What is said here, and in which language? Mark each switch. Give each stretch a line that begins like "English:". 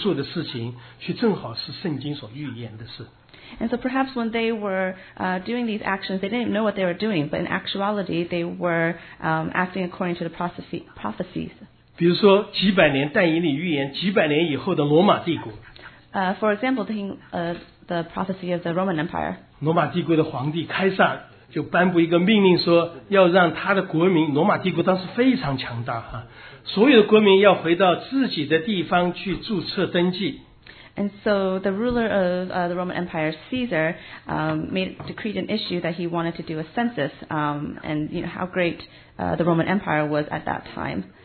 Chinese: 很有可能这些君王们在做的时候，他们根本不知道他们在做什么，但是他们做的事情却正好是圣经所预言的事。
English: And so perhaps when they were doing these actions, they didn't know what they were doing, but in actuality, they were acting according to the prophecies.
Chinese: 比如说几百年但以理预言, 几百年以后的罗马帝国,
English: for example, the prophecy of the Roman Empire.
Chinese: 罗马帝国的皇帝凯撒, 就颁布一个命令说, 要让他的国民, 罗马帝国当时非常强大, 啊, 所有的国民要回到自己的地方去注册登记,
English: And so the ruler of the Roman Empire, Caesar, decreed an issue that he wanted to do a census, and you know how great the Roman Empire was at that time.